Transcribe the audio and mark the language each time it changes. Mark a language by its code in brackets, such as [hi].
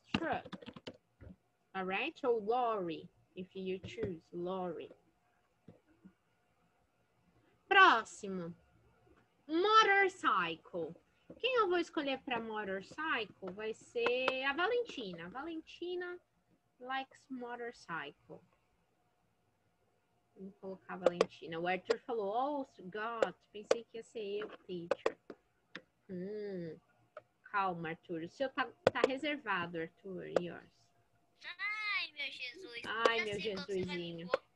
[en] Truck. Alright? Ou lorry, if you choose lorry. [pt] Próximo. Motorcycle. Quem eu vou escolher para motorcycle vai ser a Valentina. [en] Valentina likes motorcycle. [pt] Vou colocar a Valentina. O Arthur falou, oh, God, pensei que ia ser eu, teacher. Calma, Arthur. O seu tá reservado, Arthur. Yours. Ai, meu Jesus. Ai, meu Jesusinho.